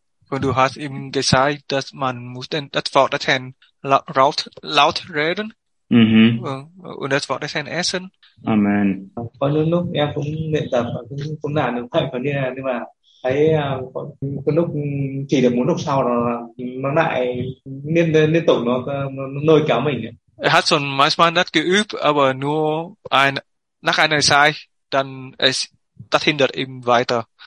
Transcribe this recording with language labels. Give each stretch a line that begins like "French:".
German: Und du hast ihm gesagt, dass man muss denn das Wort des Herrn laut reden. Mm-hmm. Und das Wort des Herrn essen. Amen.
Vietnamese: Có những lúc em cũng luyện tập và cũng làm được vậy, còn như là nhưng mà thấy có lúc chỉ được muốn lúc sau nó lại liên tục nó lôi kéo mình.
German: Er hat schon manchmal das geübt, aber nur nach einer Zeit, dann das hindert ihm weiter.